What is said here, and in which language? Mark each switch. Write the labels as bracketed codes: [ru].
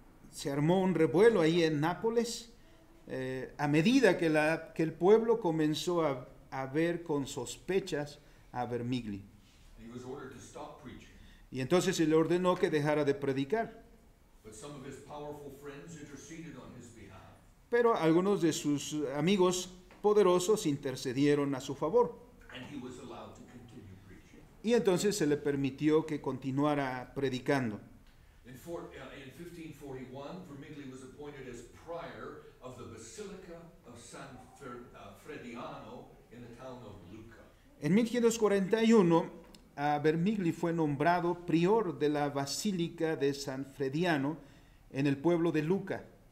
[es] Se armó un revuelo ahí en Nápoles a medida que que el pueblo comenzó a ver con sospechas a Vermigli. [en] He was ordered to stop preaching. [es] Y entonces se le ordenó que dejara de predicar. [en] But some of his powerful friends interceded on his behalf. [es] Pero algunos de sus amigos poderosos intercedieron a su favor. [en] And he was allowed to continue preaching. [es] Y entonces se le permitió que continuara predicando. [en] In 1541, Vermigli was appointed as prior of the Basilica of San Frediano in the town of Lucca. [es] En 1541, Vermigli fue nombrado prior de la Basílica de San Frediano en el pueblo de Lucca.